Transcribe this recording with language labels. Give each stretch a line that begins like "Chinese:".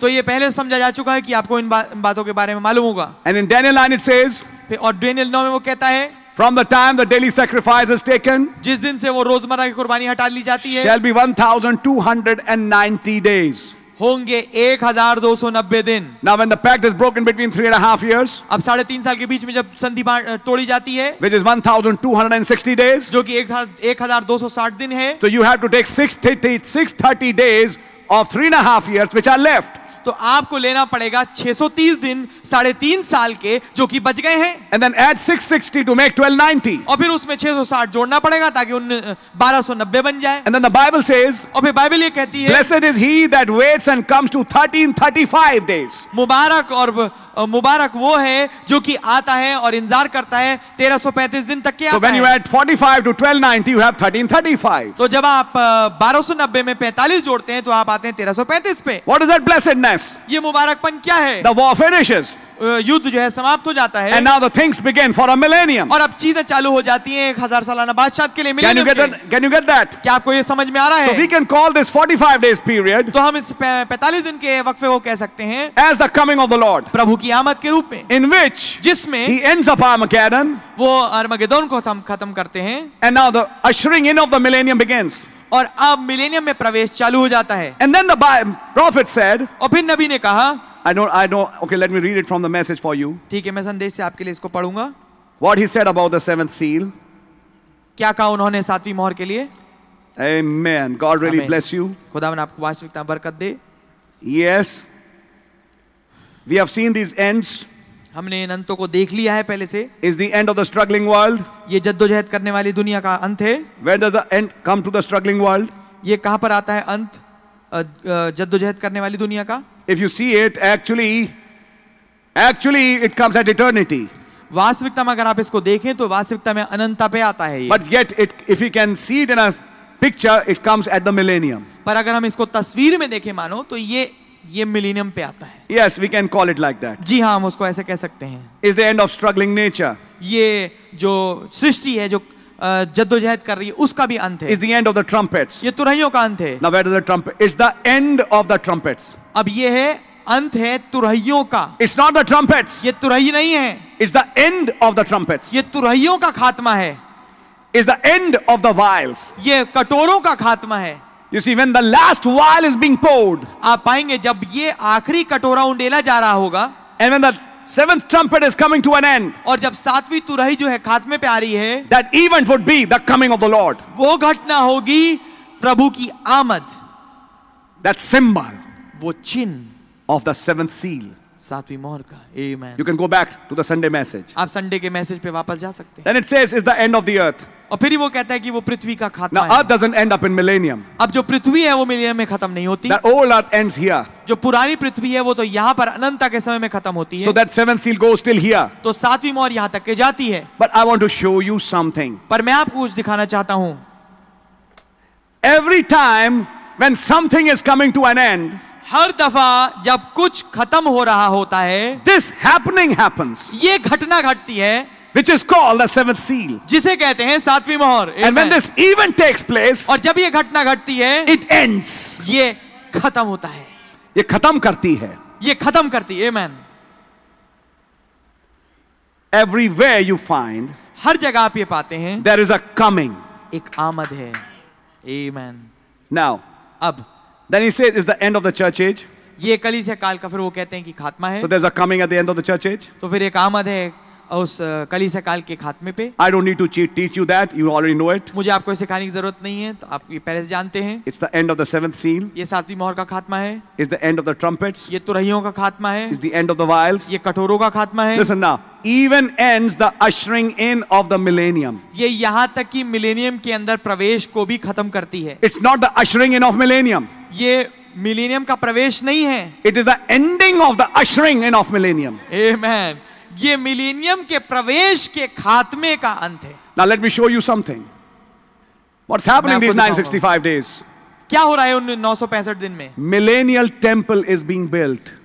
Hindi: तो ये पहले समझा जा चुका है कि आपको इन बातों के बारे में मालूम होगा
English: And in Daniel 9 it says,
Hindi: और डैनियल 9 में वो कहता है
English: From the time the daily sacrifice is taken,
Hindi: जिस दिन से वो रोजमर्रा की कुर्बानी हटा ली जाती है
English: shall be 1290 days.
Hindi: होंगे 1290 दिन
English: Now when the pact is broken between 3.5 years,
Hindi: अब 3.5 साल के बीच में जब संधि तोड़ी जाती है
English: which is 1260 days,
Hindi: जो कि 1260 दिन है
English: So you have to take 630 days of 3.5 years which are left.
Hindi: तो आपको लेना पड़ेगा 630 दिन 3.5 साल के जो कि बच गए हैं
English: And then add 660 to make 1290.
Hindi: और फिर उसमें 660 जोड़ना पड़ेगा ताकि 1290 बन जाए
English: And then the Bible says,
Hindi: और फिर बाइबल ये कहती है
English: Blessed is he that waits and comes to 1335 days.
Hindi: मुबारक और मुबारक वो है जो कि आता है और इंतजार करता है 1335 दिन तक के आता है।
English: So when you add 45 to 1290, you have 1335.
Hindi: तो जब आप 1290 में 45 जोड़ते हैं तो आप आते हैं 1335 पे।
English: What is that blessedness?
Hindi: ये मुबारकपन क्या है?
English: The war finishes.
Hindi: युद्ध जो है समाप्त हो जाता है।
English: And now the things begin for a millennium.
Hindi: और अब चीजें चालू हो जाती हैं 1000 सालाना बादशाह के लिए मिलेनियम के।
English: Can you get that?
Hindi: क्या आपको ये समझ में आ रहा है?
English: So we can call this 45 days period.
Hindi: तो हम इस 45 दिन के वक्फे को कह सकते हैं।
English: As the coming of the Lord.
Hindi: प्रभु की आमद के रूप में।
English: In which?
Hindi: जिसमें?
English: He ends up Armageddon.
Hindi: वो आर्मगेडोन को खत्म करते हैं।
English: And now the ushering in of the millennium begins.
Hindi: और अब मिलेनियम में प्रवेश चालू हो जाता है।
English: And then the prophet said.
Hindi: और फिर नबी ने कहा।
English: I know. Okay, let me read it from the message for you.
Hindi: ठीक है, मैं संदेश से आपके लिए इसको पढूंगा।
English: What he said about the seventh seal?
Hindi: क्या कहा उन्होंने सातवीं मोहर के लिए?
English: Amen. God really Amen. Bless you.
Hindi: खुदावन आपको वास्तविकता बरकत दे।
English: Yes. We have seen these ends.
Hindi: हमने इन अंतों को देख लिया है पहले से।
English: Is the end of the struggling world?
Hindi: ये जद्दोजहद करने वाली दुनिया का अंत है।
English: Where does the end come to the struggling world?
Hindi: ये कहां पर आता है अंत जद्दोजहद करने वाली दुनिया का?
English: If you see it, actually it comes at eternity.
Hindi: वास्तविकता में अगर आप इसको देखें तो वास्तविकता में अनंतता पे आता है ये।
English: But yet it, if you can see it in a picture, it comes at the millennium.
Hindi: पर अगर हम इसको तस्वीर में देखें मानो तो ये मिलेनियम पे आता है।
English: Yes, we can call it like that.
Hindi: जी हाँ, हम उसको ऐसे कह सकते हैं।
English: Is the end of struggling nature?
Hindi: ये जो सृष्टि है जो जद्दोजहद कर रही है उसका भी अंत है।
English: Is the end of the trumpets?
Hindi: ये तुरहियों का अंत है।
English: Now where does the trumpet? It's the end of the trumpets.
Hindi: अब ये है अंत है तुरहियों का।
English: It's not the trumpets.
Hindi: ये तुरही नहीं है।
English: It's the end of the trumpets.
Hindi: ये तुरहियों का खात्मा है।
English: It's the end of the vials.
Hindi: ये कटोरों का खात्मा है।
English: You see, when the last vial is being poured.
Hindi: आप पाएंगे जब ये आखिरी कटोरा उंडेला जा रहा होगा।
English: And when the seventh trumpet is coming to an end.
Hindi: और जब सातवीं तुरही जो है खात्मे पे आ रही है।
English: That event would be the coming of the Lord.
Hindi: वो घटना होगी प्रभु की आमद।
English: That symbol.
Hindi: वो चिन
English: of the seventh seal,
Hindi: सातवीं मोहर का, amen.
English: You can go back to the Sunday message.
Hindi: आप संडे के मैसेज पे वापस जा सकते हैं.
English: Then it says, "Is the end of the earth."
Hindi: और फिर वो कहता है कि वो पृथ्वी का खात्मा है.
English: Now earth doesn't end up in millennium.
Hindi: अब जो पृथ्वी है वो मिलेनियम में खत्म नहीं होती.
English: The old earth ends here.
Hindi: जो पुरानी पृथ्वी है वो तो यहाँ पर अनंतता के समय में खत्म होती है.
English: So that seventh seal goes till here.
Hindi: तो सातवीं मोहर यहाँ तक के जाती है.
English: But I want to show you something.
Hindi: पर मैं आपको कुछ दिखाना चाहता हूँ.
English: Every time when something is coming to an end.
Hindi: हर दफा जब कुछ खत्म हो रहा होता है,
English: this happening happens,
Hindi: ये घटना घटती है,
English: which is called the seventh seal,
Hindi: जिसे कहते हैं सातवीं मोहर,
English: and when this event takes place,
Hindi: और जब ये घटना घटती है,
English: it ends,
Hindi: ये खत्म होता है, ये खत्म करती है, ये खत्म करती है, amen.
English: Everywhere you find,
Hindi: हर जगह आप ये पाते हैं,
English: there is a coming,
Hindi: एक आमद है, amen.
English: Now,
Hindi: अब
English: Then he says, "Is the end of the church age?"
Hindi: ये कलीसिया काल का फिर वो कहते हैं कि खात्मा है।
English: So there's a coming at the end of the church age.
Hindi: तो फिर एक आमद है उस कलीसिया काल के खात्मे पे।
English: I don't need to teach you that. You already know it.
Hindi: मुझे आपको इसे कहने की ज़रूरत नहीं है। तो आप ये पहले से जानते हैं।
English: It's the end of the seventh seal.
Hindi: ये सातवीं मोहर का खात्मा है।
English: It's the end of the trumpets.
Hindi: ये तुरहियों का खात्मा है।
English: It's the end of the vials.
Hindi: ये कटोरों का खात्मा है।
English: Listen now. Even ends the ushering in of the millennium.
Hindi: ये यहाँ तक कि millennium के अंदर प्रवेश को भी खत्म करती है।
English: It's not the ushering in of millennium.
Hindi: ये millennium का प्रवेश नहीं है।
English: It is the ending of the ushering in of millennium. Amen.
Hindi: ये millennium के प्रवेश के खात्मे का अंत है।
English: Now let me show you something. What's happening these 965 days?
Hindi: क्या हो रहा है उन 965 दिन में?
English: Millennial temple is being built.